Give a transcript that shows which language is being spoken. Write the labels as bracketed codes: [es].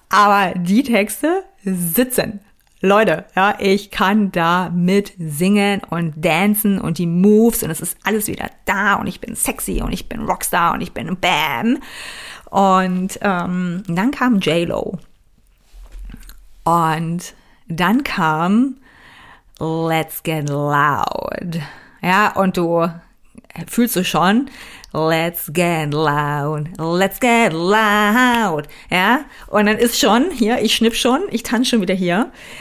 [de] Aber die Texte sitzen. Leute, ja, ich kann da mit singen und dancen und die Moves und es ist alles wieder da und ich bin sexy und ich bin Rockstar und ich bin Bam. Und dann kam J-Lo und dann kam Let's Get Loud. Ja, und du fühlst du schon, [en] Let's get loud, let's get loud. [de] Ja, und dann ist schon hier, ich schnipp schon, ich tanze schon wieder hier.